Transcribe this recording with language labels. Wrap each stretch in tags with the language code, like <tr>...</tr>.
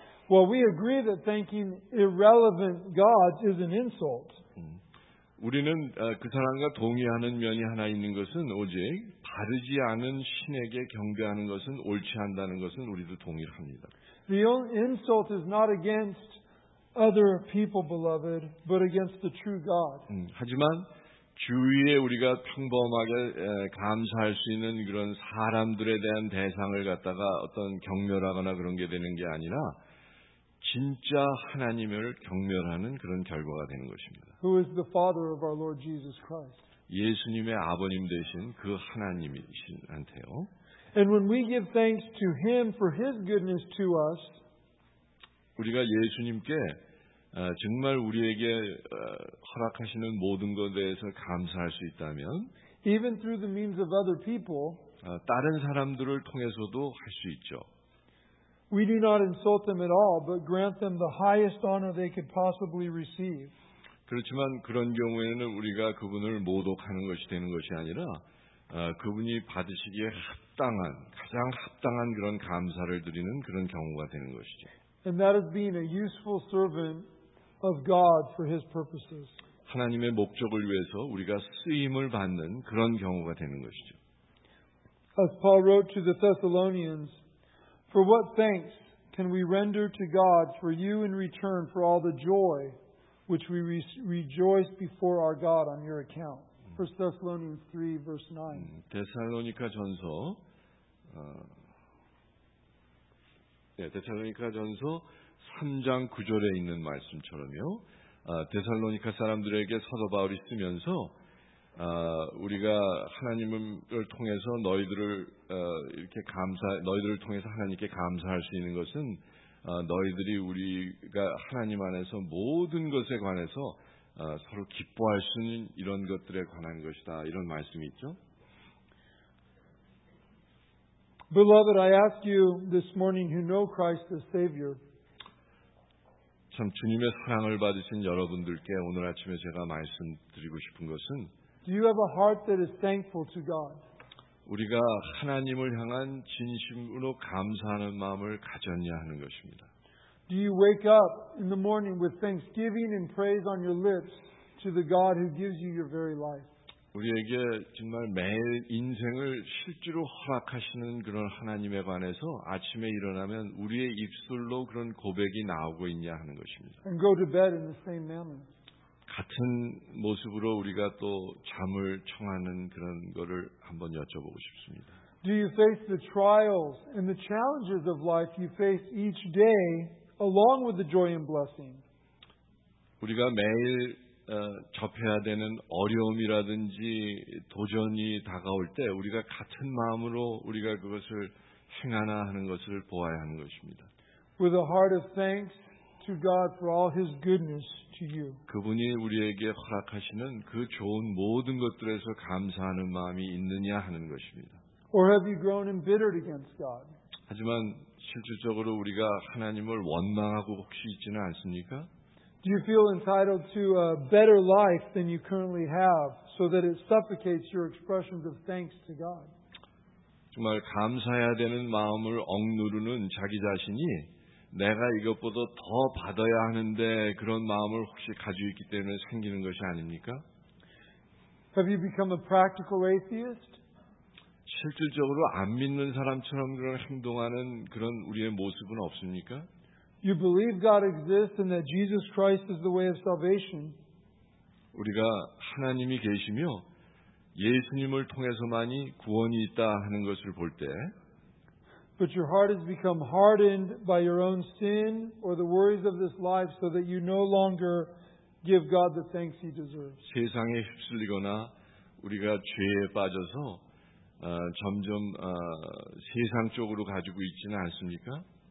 <en>Well, we agree that thanking irrelevant gods is an insult.</en> <ko>우리는 그 사람과 동의하는 면이 하나 있는 것은 오직 바르지 않은 신에게 경배하는 것은 옳지 않다는 것은 우리도 동의를 합니다.</ko> <en>The insult is not against other people, beloved, but against the true God.</en> <ko>하지만 주위에 우리가 평범하게 감사할 수 있는 그런 사람들에 대한 대상을 갖다가 어떤 경멸하거나 그런 게 되는 게 아니라 진짜 하나님을 경멸하는 그런 결과가 되는 것입니다.</ko> <en>Who is the father of our Lord Jesus Christ?</en> <ko>예수님의 아버님 되신 그 하나님이신한테요.</ko> <en>And when we give thanks to him for his goodness to us,</en> <ko>우리가 예수님께 정말 우리에게 허락하시는 모든 것에 대해서 감사할 수 있다면</ko> <en>even through the means of other people,</en> <ko>다른 사람들을 통해서도 할 수 있죠.</ko> <en>We do not insult them at all, but grant them the highest honor they could possibly receive.</en> <ko>그렇지만 그런 경우에는 우리가 그분을 모독하는 것이 되는 것이 아니라 그분이 받으시기에 합당한, 가장 합당한 그런 감사를 드리는 그런 경우가 되는 것이죠.</ko> <en>And that is being a useful servant of God for His purposes.</en> <ko>하나님의 목적을 위해서 우리가 쓰임을 받는 그런 경우가 되는 것이죠.</ko> <en>As Paul wrote to the Thessalonians, For what thanks can we render to God for you in return for all the joy which we rejoice before our God on your account? 1 Thessalonians 3, verse 9.</en> <ko>데살로니카 전서 데살로니카 전서 3장 9절에 있는 말씀처럼요. 데살로니카 사람들에게 사도 바울이 쓰면서 우리가 하나님을 통해서 너희들을 이렇게 감사 너희들을 통해서 하나님께 감사할 수 있는 것은 너희들이 우리가 하나님 안에서 모든 것에 관해서 서로 기뻐할 수 있는 이런 것들에 관한 것이다 이런 말씀이 있죠.</ko> <en>Beloved, I ask you this morning who know Christ as Savior.</en> <ko>참 주님의 사랑을 받으신 여러분들께 오늘 아침에 제가 말씀드리고 싶은 것은</ko> <en>Do you have a heart that is thankful to God?</en> <ko>우리가 하나님을 향한 진심으로 감사하는 마음을 가졌냐 하는 것입니다.</ko> <en>Do you wake up in the morning with thanksgiving and praise on your lips to the God who gives you your very life?</en> <ko>우리에게 정말 매일 인생을 실제로 허락하시는 그런 하나님에 관해서 아침에 일어나면 우리의 입술로 그런 고백이 나오고 있냐 하는 것입니다.</ko> <en>And go to bed in the same manner.</en> <ko>같은 모습으로 우리가 또 잠을 청하는 그런 거를 한번 여쭤보고 싶습니다.</ko> <en>Do you face the trials and the challenges of life you face each day along with the joy and blessing?</en> <ko>우리가 매일 접해야 되는 어려움이라든지 도전이 다가올 때 우리가 같은 마음으로 우리가 그것을 행하나 하는 것을 보아야 하는 것입니다.</ko> <en>With a heart of thanks to God for all his goodness.</en> <ko>그분이 우리에게 허락하시는 그 좋은 모든 것들에서 감사하는 마음이 있느냐 하는 것입니다.</ko> <en>Or have you grown embittered against God?</en> <ko>하지만 실질적으로 우리가 하나님을 원망하고 혹시 있지는 않습니까?</ko> <en>Do you feel entitled to a better life than you currently have so that it suffocates your expressions of thanks to God?</en> <ko>정말 감사해야 되는 마음을 억누르는 자기 자신이 내가 이것보다 더 받아야 하는데 그런 마음을 혹시 가지고 있기 때문에 생기는 것이 아닙니까?</ko> <en>Have you become a practical atheist?</en> <ko>실질적으로 안 믿는 사람처럼 그런 행동하는 그런 우리의 모습은 없습니까?</ko> <en>You believe God exists and that Jesus Christ is the way of salvation.</en> <ko>우리가 하나님이 계시며 예수님을 통해서만이 구원이 있다 하는 것을 볼 때</ko> <en>But your heart has become hardened by your own sin or the worries of this life so that you no longer give God the thanks he deserves.</en> <ko>세상에 휩쓸리거나 우리가 죄에 빠져서 점점 세상 쪽으로 가지고 있지는 않습니까?</ko>